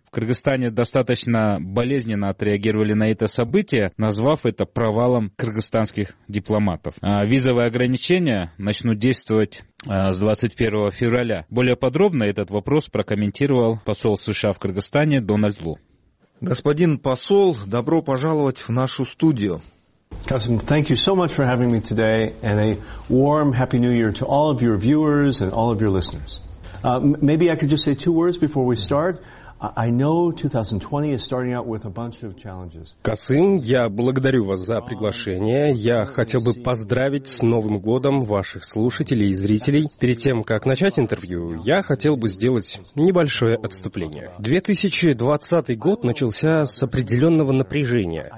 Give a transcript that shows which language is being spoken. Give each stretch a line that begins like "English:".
Russian: В Кыргызстане достаточно болезненно отреагировали на это событие, назвав это провалом кыргызстанских дипломатов. Визовые ограничения начнут действовать с 21 февраля. Более подробно этот вопрос прокомментировал посол США в Кыргызстане Дональд Лу. Господин посол, добро пожаловать в нашу студию.
English: Касым, thank you so much for having me today, and a warm Happy New Year to all of your viewers and all of your listeners. Maybe I could just say two words before we start. I know 2020 is starting out with a bunch of challenges.
Russian: Касым, я благодарю вас за приглашение. Я хотел бы поздравить с Новым годом ваших слушателей и зрителей. Перед тем, как начать интервью, я хотел бы сделать небольшое отступление. 2020 год начался с определенного напряжения.